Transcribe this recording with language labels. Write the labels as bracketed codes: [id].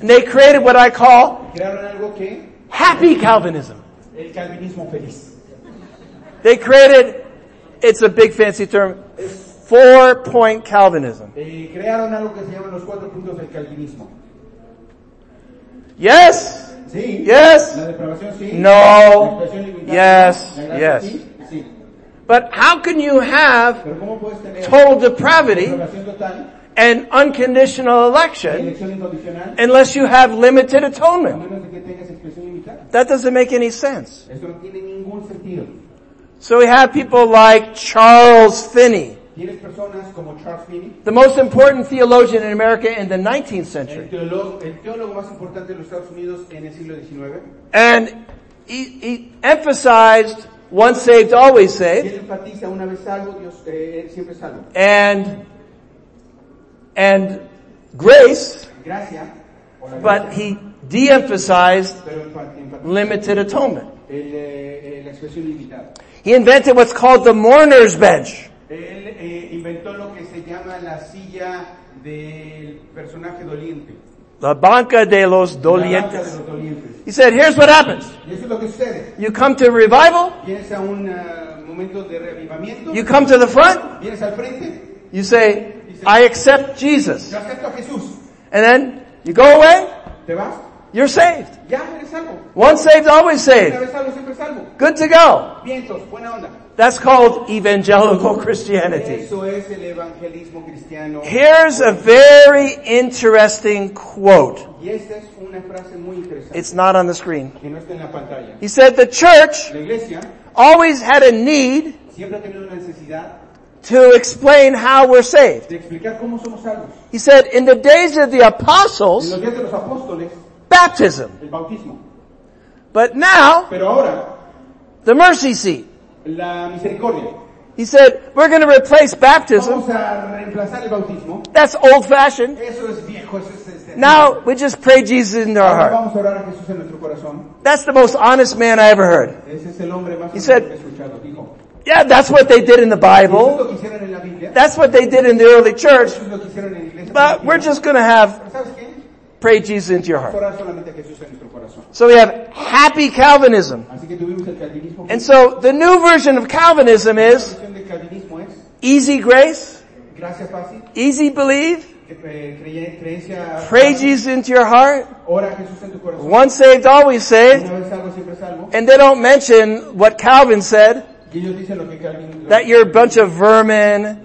[en] And they created what I call [es] algo que [en] happy Calvinism. [es] El Calvinismo feliz. [en] They created, it's a big fancy term, four-point Calvinism. [es] Crearon algo que se llaman los cuatro puntos del Calvinismo. [en] Yes. [es] Sí. [en] Yes. [es] La depravación, sí. [en] No. [es] La depravación, yes. La gracia, [en] yes. [es] Sí. Sí. [en] But how can you have total depravity and unconditional election unless you have limited atonement? That doesn't make any sense. [es] Eso no tiene ningún sentido. [en] So we have people like Charles Finney. [es] ¿Tienes personas como Charles Finney? [en] The most important theologian in America in the 19th century. [es] El teólogo más importante de los Estados Unidos en el siglo XIX. [en] And he emphasized once saved, always saved. [es] Él enfatiza una vez salvo, Dios siempre salvo. [en] And grace. [es] Gracia. [en] But he de-emphasized limited atonement. [es] La expresión limitada. [en] He invented what's called the mourner's bench. [es] Él inventó lo que se llama la silla del personaje doliente. La banca de los dolientes. La banca de los dolientes. [en] He said, here's what happens. [es] Y eso es lo que sucede. [en] You come to revival. [es] Vienes a un momento de reavivamiento. [en] You come to the front. [es] Vienes al frente. [en] You say, I accept Jesus. [es] Yo acepto a Jesús. [en] And then you go away. [es] Te vas. [en] You're saved. [es] Ya eres salvo. [en] Once saved, always saved. [es] Una vez salvo, siempre salvo. [en] Good to go. [es] Vientos, buena onda. [en] That's called evangelical Christianity. [es] Eso es el evangelismo cristiano. [en] Here's a very interesting quote. [es] Y esta es una frase muy interesante. [en] It's not on the screen. [es] Que no está en la pantalla. [en] He said the church [es] la iglesia [en] always had a need [es] siempre ha tenido una necesidad [en] to explain how we're saved. [es] De explicar cómo somos salvos. [en] He said in the days of the apostles, [es] en los días de los apóstoles, [en] baptism. [es] El bautismo. [en] But now, [es] pero ahora, [en] the mercy seat. [es] La misericordia. [en] He said, we're going to replace baptism. [es] Vamos a reemplazar el bautismo. [en] That's old fashioned. [es] Eso es viejo. Eso es [en] Now we just pray Jesus into our heart. [es] Vamos a orar a Jesús en nuestro corazón. [en] That's the most honest man I ever heard. [es] Ese es el hombre más [en] he said, [es] que he escuchado, dijo. [en] Yeah, that's what they did in the Bible. [es] Eso es lo que hicieron en la Biblia. [en] That's what they did in the early church. [es] Eso es lo que hicieron en la iglesia. [en] But we're just going to have pray Jesus into your heart. [es] Vamos a orar solamente a Jesús en nuestro corazón. [en] So we have happy Calvinism. [es] Así que tuvimos el Calvinismo. [en] And so the new version of Calvinism is easy grace, [es] gracia fácil, [en] easy believe, [es] creencia, [en] pray Jesus into your heart, [es] ora a Jesús en tu corazón. [en] Once saved, always saved, [es] una vez salvo, siempre salvo. [en] And they don't mention what Calvin said, [es] y ellos dicen lo que Calvin, lo [en] that you're a bunch of vermin,